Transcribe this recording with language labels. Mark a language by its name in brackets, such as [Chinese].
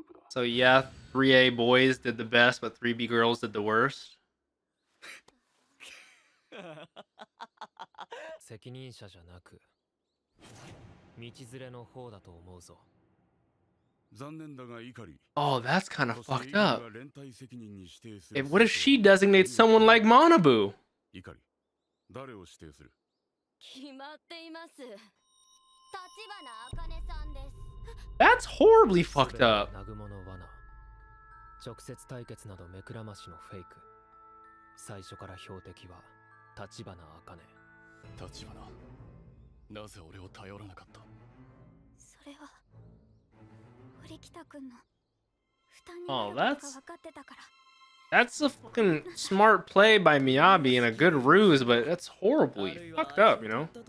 [English] So yeah, 3A boys did the best, but 3B girls did the worst. [Japanese] 責任者じゃなく道連れの方だと思うぞ。残念だがイカリ。 [English] Oh, that's kind of fucked up. If what if she designates someone like Manabu? [Japanese] イカリ、誰を指定する？決まっています。橘茜さんです。 [English] That's horribly fucked up. [Japanese] 直接対決など目くらましのフェイク。最初から標的は橘茜。橘。なぜ俺を頼らなかった？それは堀北君の負担になるか分かってたから。 [English] Oh, that's a fucking smart play by Miyabi and a good ruse, but that's horribly fucked up, you know?